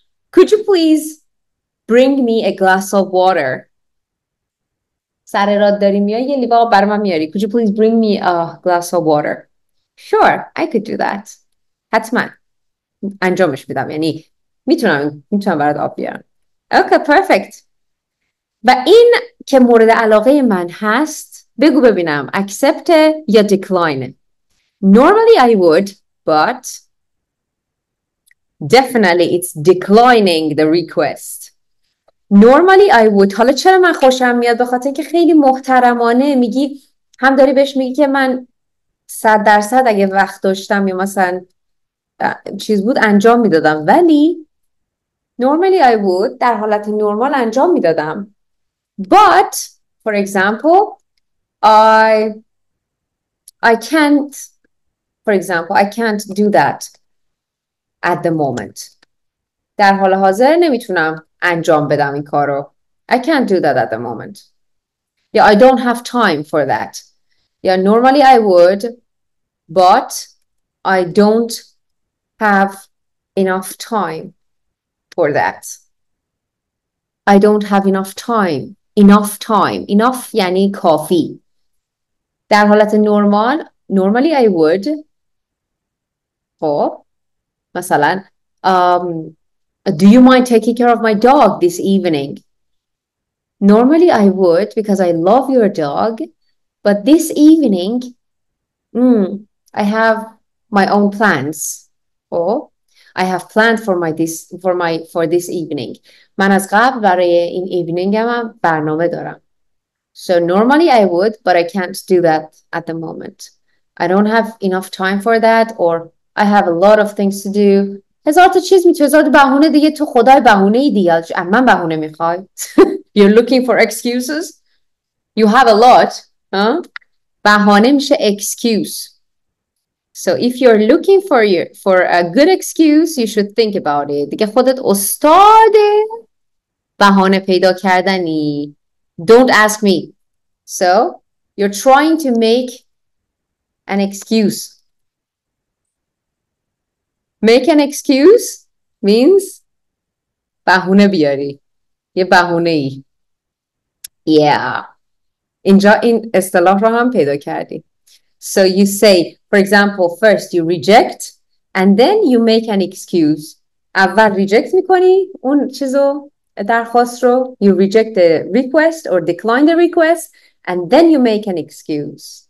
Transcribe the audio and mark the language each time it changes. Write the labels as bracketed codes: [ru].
[en] Could you please bring me a glass of water? Could you please bring me a glass of water? Sure, I could do that. [fa] حتماً انجامش میدم، یعنی میتونم برات آب بیارم. اوکی پرفکت. و این که مورد علاقه من هست، بگو ببینم اکسپت یا دیکلاین. [en] Normally I would but definitely it's declining the request. Normally I would. [fa] حالا چرا من خوشم میاد؟ بخاطر اینکه خیلی محترمانه میگی هم داری بهش میگی که من 100% اگه وقت داشتم یا مثلا چیز بود انجام میدادم، ولی [en] normally I would [fa] در حالت نرمال انجام میدادم. [en] But for example I can't, for example I can't do that at the moment. [fa] در حال حاضر نمیتونم انجام بدم این کارو. [en] I can't do that at the moment. Yeah, I don't have time for that. Yeah, normally I would, but I don't have enough time for that. I don't have enough time. Enough time. Enough [fa] یعنی کافی. در حالت نرمال, [en] normally I would. [fa] خب, مثلا, [en] do you mind taking care of my dog this evening? Normally I would because I love your dog. But this evening, I have my own plans. Oh, I have planned for my this for my for this evening. [fa] من از قبل برای این ایونینگ هم برنامه دارم. [en] So normally I would, but I can't do that at the moment. I don't have enough time for that, or I have a lot of things to do. [fa] هزار تا چیز میتونی، هزار بهونه دیگه. تو خدای بهونه ای دیگه، من بهونه میخوای. [en] You're looking for excuses. You have a lot. [fa] بهانه میشه excuse. [en] So if you're looking for your for a good excuse, you should think about it. [fa] دیگه خودت استاد بهانه پیدا کردنی. [en] Don't ask me. So you're trying to make an excuse. Make an excuse means [fa] بهونه بیاری. یه بهونه ای. [en] Yeah. [fa] اینجا این اصطلاح رو هم پیدا کردی. [en] So you say, for example, first you reject and then you make an excuse. [fa] اول reject میکنی اون چیزو، درخواست رو. [en] You reject the request or decline the request and then you make an excuse.